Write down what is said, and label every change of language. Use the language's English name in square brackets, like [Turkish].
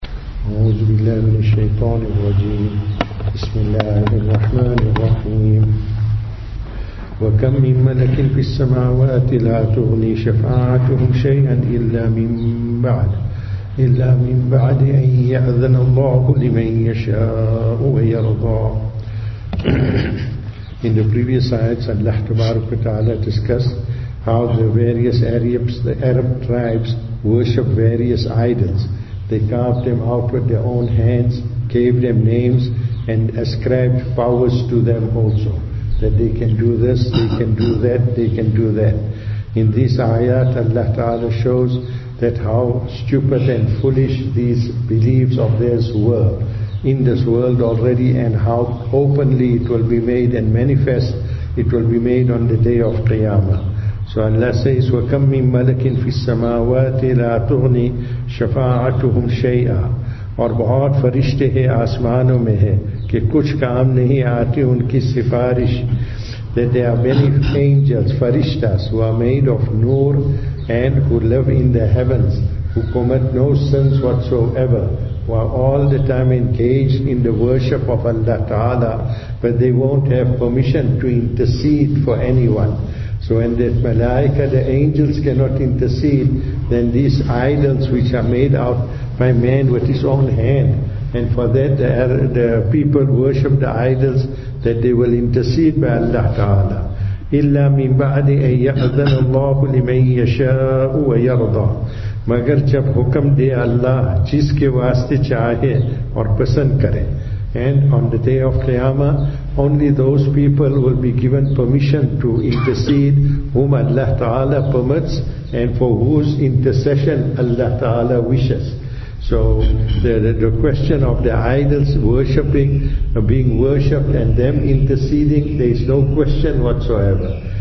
[Arabic] أعوذ بالله من الشيطان الرجيم. بسم الله الرحمن الرحيم. وكم من ملك في السماوات لا تغني شفاعتهم شيئا إلا من بعد أن يأذن الله لمن يشاء ويرضى. [English] In the previous ayats, Allah Tabaraka wa Ta'ala discussed how the various Arabs, the Arab tribes, worship various idols. They carved them out with their own hands, gave them names, and ascribed powers to them also. That they can do this, they can do that, they can do that. In this ayat, Allah Ta'ala shows that how stupid and foolish these beliefs of theirs were in this world already, and how openly it will be made and manifest, it will be made on the day of Qiyamah. So Allah says, [Arabic] وَكَمْ مِنْ مَلَكٍ فِي السَّمَاوَاتِ لَا تُغْنِي شَفَاعَتُهُمْ شَيْئًا. [Urdu] اور بہت فرشتے ہیں آسمانوں میں ہیں کہ کچھ کام نہیں آتی ان کی سفارش. [English] That there are many angels, farishtas, who are made of noor and who live in the heavens, who commit no sins whatsoever, who are all the time engaged in the worship of Allah Ta'ala, but they won't have permission to intercede for anyone. So when the malaika, the angels cannot intercede, then these idols which are made out by man with his own hand, and for that the people worship the idols, that they will intercede by Allah Ta'ala. [Arabic] إِلَّا مِنْ بَعْدِ أَن يَأْذَنَ اللَّهُ لِمَنْ يَشَاءُ وَيَرْضَى. [Urdu] مگر جب حکم دے اللہ جس کے واسطے چاہے اور پسند کرے. [English] And on the day of Qiyamah, only those people will be given permission to intercede whom Allah Ta'ala permits and for whose intercession Allah Ta'ala wishes. So the question of the idols worshipping, being worshipped and them interceding, there is no question whatsoever.